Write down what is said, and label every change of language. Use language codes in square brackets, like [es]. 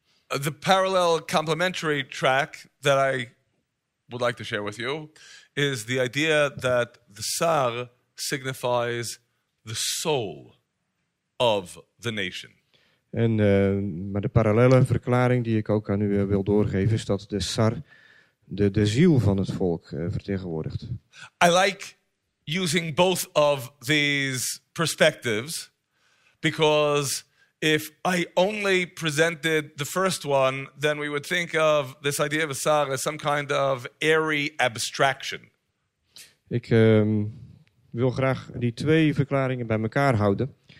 [en] The parallel complementary track that I would like to share with you is the idea that the sar signifies the soul of the nation. [nl] En maar de parallele verklaring die ik ook aan u wil doorgeven is dat de sar de ziel van het volk vertegenwoordigt. [en] I like using both of these perspectives because if I only presented the first one, then we would think of this idea of a sar as some kind of airy abstraction. [nl] Ik wil graag die twee verklaringen bij elkaar houden.